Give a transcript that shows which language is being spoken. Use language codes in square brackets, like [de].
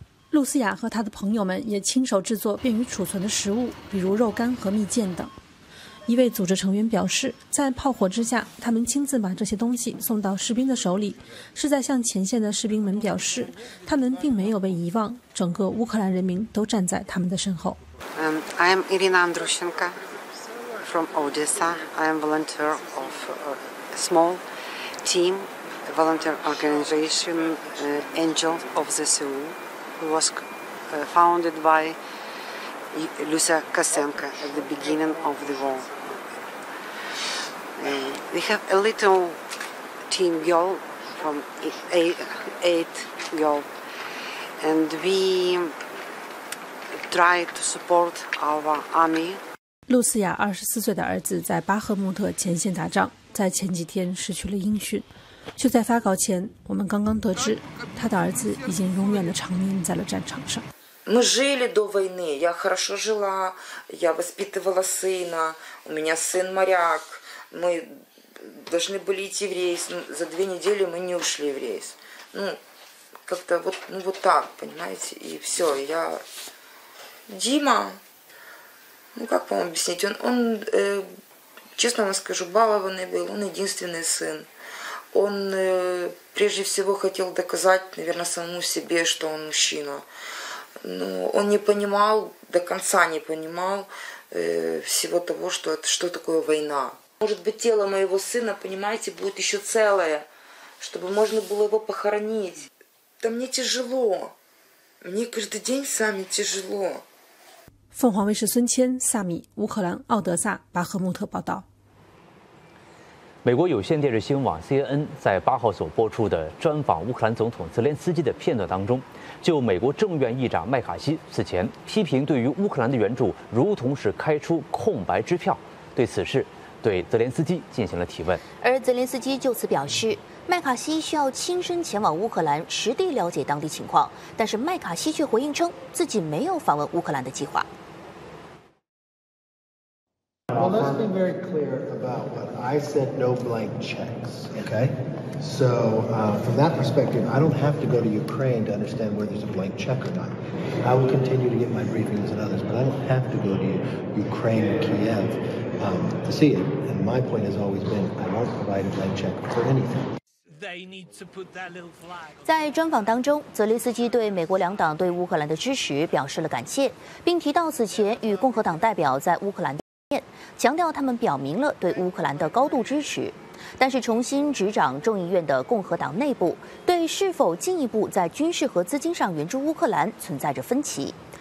[zh] 露思雅和她的朋友们也亲手制作便于储存的食物，比如肉干和蜜饯等。一位组织成员表示，在炮火之下，他们亲自把这些东西送到士兵的手里，是在向前线的士兵们表示，他们并没有被遗忘，整个乌克兰人民都站在他们的身后。 [en] I am Irina Andrushenka from Odessa. I am volunteer of a small team, a volunteer organization, Angel of the Sea, who was founded by. Lusa Kasenka at the beginning of the war. We have a little team girl from eight girls, and we try to support our army. [zh] 露思雅24岁的儿子在巴赫穆特前线打仗，在前几天失去了音讯。就在发稿前，我们刚刚得知，他的儿子已经永远的长眠在了战场上。 [ru] Мы жили до войны, я хорошо жила, я воспитывала сына, у меня сын моряк, мы должны были идти в рейс, за две недели мы не ушли в рейс. Ну, как-то вот, ну, вот так, понимаете, и все, я... Дима, ну как вам объяснить, он, честно вам скажу, балованный был, он единственный сын. Он, прежде всего хотел доказать, наверное, самому себе, что он мужчина. Но он не понимал, до конца не понимал всего того, что такое война. Может быть, тело моего сына, понимаете, будет еще целое, чтобы можно было его похоронить. Да мне тяжело. Мне каждый день сами тяжело. [zh] 凤凰卫视孙谦、萨米，乌克兰奥德萨、巴赫穆特报道。美国有线电视新闻网 CNN 在八号所播出的专访乌克兰总统泽连斯基的片段当中，就美国众院议长麦卡锡此前批评对于乌克兰的援助如同是开出空白支票，对此事对泽连斯基进行了提问。而泽连斯基就此表示，麦卡锡需要亲身前往乌克兰实地了解当地情况，但是麦卡锡却回应称自己没有访问乌克兰的计划。 [en] Well, let's be very clear about what I said, no blank checks, okay? So, from that perspective, I don't have to go to Ukraine to understand whether there's a blank check or not. I will continue to get my briefings and others, but I don't have to go to Ukraine or Kiev, to see it. And my point has always been, I won't provide a blank check for anything. [zh] 在专访当中，泽连斯基对美国两党对乌克兰的支持表示了感谢，并提到此前与共和党代表在乌克兰。面，强调他们表明了对乌克兰的高度支持。但是重新执掌众议院的共和党内部对是否进一步在军事和资金上援助乌克兰存在着分歧。